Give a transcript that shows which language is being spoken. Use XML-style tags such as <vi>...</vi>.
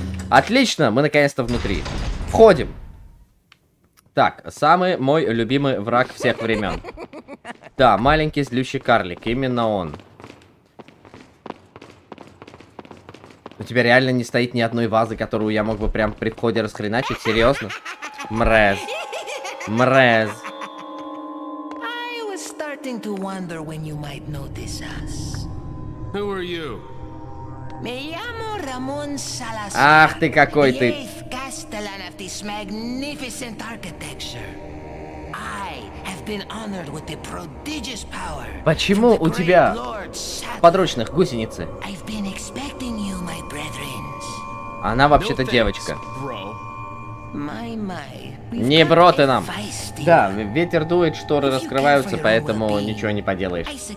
<ru>Отлично, мы наконец-то внутри. Входим. Так, самый мой любимый враг всех времен. Да, маленький злющий карлик, именно он. У тебя реально не стоит ни одной вазы, которую я мог бы прям при входе расхреначить, серьезно? Мрез. Мрез.</ru> <en>I was starting to wonder when you might notice us. Who are you?</en> <es>Me llamo Ramón Salazar.</es> <ru>Ах ты какой ты!</ru> <en>Castellan of this magnificent architecture. I have been honored with the prodigious power.</en> <ru>Почему у тебя подручных гусеницы?</ru> <en>I've been expecting you, my brethren.</en> <ru>Она вообще-то девочка. Не бро ты нам. Да, ветер дует, шторы раскрываются, поэтому ничего не поделаешь.</ru>